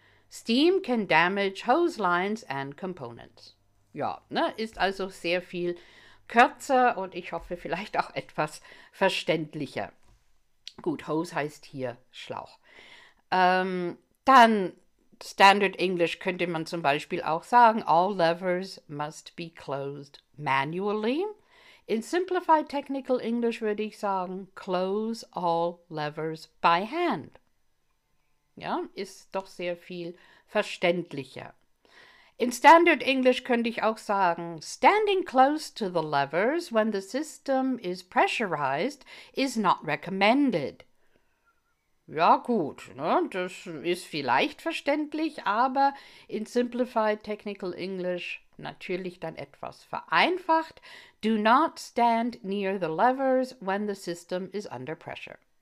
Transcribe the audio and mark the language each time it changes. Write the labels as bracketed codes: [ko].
[en] Steam can damage hose lines and components. [de] Ja, ne, ist also sehr viel kürzer und ich hoffe vielleicht auch etwas verständlicher. Gut, Hose heißt hier Schlauch. Dann Standard English könnte man zum Beispiel auch sagen: [en] All levers must be closed manually. In Simplified Technical English [de] würde ich sagen, [en] close all levers by hand. [de] Ja, ist doch sehr viel verständlicher. [en] In Standard English [de] könnte ich auch sagen, [en] standing close to the levers when the system is pressurized is not recommended. [de] Ja, gut, ne, das ist vielleicht verständlich, aber in Simplified Technical English natürlich dann etwas vereinfacht. [en] Do not stand near the levers when the system is under pressure.